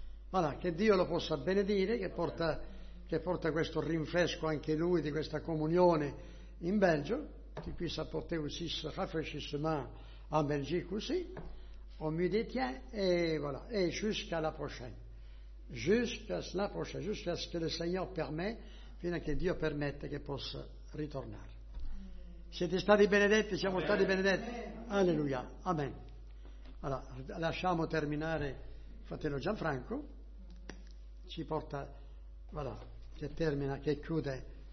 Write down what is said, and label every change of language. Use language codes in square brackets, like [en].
[it] Voilà, che Dio lo possa benedire, che porta questo rinfresco anche lui di questa comunione in Belgio. [fr] Qui puisse apporter aussi ce rafraîchissement en Belgique aussi, au milieu des tiens, et voilà, et jusqu'à la prochaine. Jusqu'à ce que le Seigneur permet, [it] fino a che Dio permette che possa ritornare. Siete stati benedetti, siamo Amen. Stati benedetti. Alleluia. Amen. Allora, lasciamo terminare fratello Gianfranco, ci porta, voilà, che termina, che chiude.